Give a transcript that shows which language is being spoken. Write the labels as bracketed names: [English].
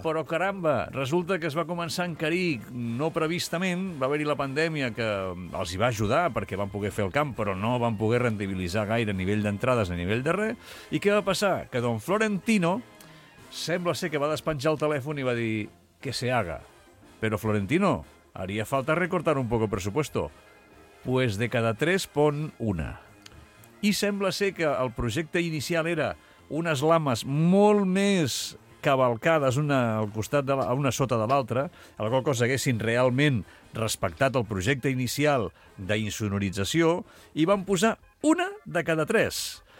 [Catalan] Sí, però caramba, resulta que es va començar a encarir no previstament. Va haver-hi la pandèmia que els hi va ajudar perquè van poder fer el camp, però no van poder rendibilitzar gaire a nivell d'entrades, a nivell de res. I què va passar? Que don Florentino sembla ser que va despenjar el telèfon i va dir que [Spanish] se haga. [Catalan] Però Florentino... [Spanish] haría falta recortar un poco presupuesto. Pues de cada tres pon una. [Catalan] I sembla ser que el projecte inicial era unes lames molt més cavalcades una al costat de una sota de l'altra, la qual cosa haguessin realment respectat el projecte inicial d'insonorització, i van posar una de cada tres.